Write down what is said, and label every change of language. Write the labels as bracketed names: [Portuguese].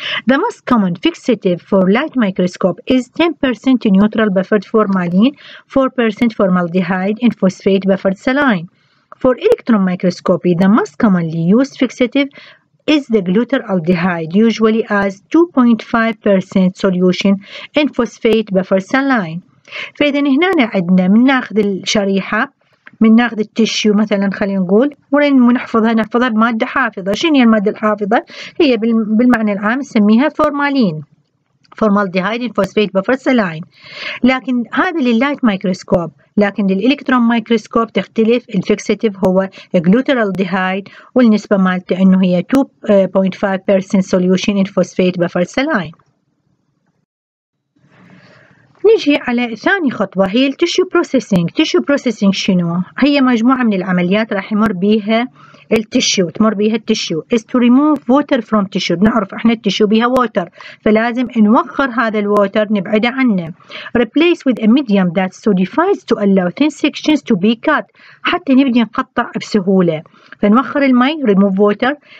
[English] The most common fixative for light microscope is 10% neutral buffered formalin, 4% formaldehyde and phosphate buffered saline. For electron microscopy, the most commonly used fixative is the glutaraldehyde, usually as 2.5% solution in phosphate buffered saline. [Arabic] فإذا هنا عندنا من ناخذ الشريحة، من ناخذ التشيو مثلا خلينا نقول، ونحفظها بمادة حافظة. شنو هي المادة الحافظة؟ هي بالمعنى العام نسميها فورمالين، فورمالديهايد فوسفيت بفر سلاين. لكن هذا لللايت مايكروسكوب، لكن للإلكترون مايكروسكوب تختلف الفيكسيتيف، هو جلوترالديهايد والنسبة مالته انه هي 2.5% سوليوشن ان فوسفيت بفر سلاين. نجي على ثاني خطوة، هي التشيو بروسيسينج. تشيو بروسيسينج شنو؟ هي مجموعة من العمليات راح يمر بيها التشيو، تمر بيها التشيو. [English] is to remove water from tissue. [Arabic] بنعرف احنا التشيو بيها water، فلازم نوخر هذا الwater، نبعده عنه. [English] replace with a medium that solidifies to allow thin sections to be cut. [Arabic] حتى نبدي نقطع بسهولة، فنوخر المي، [English] remove water.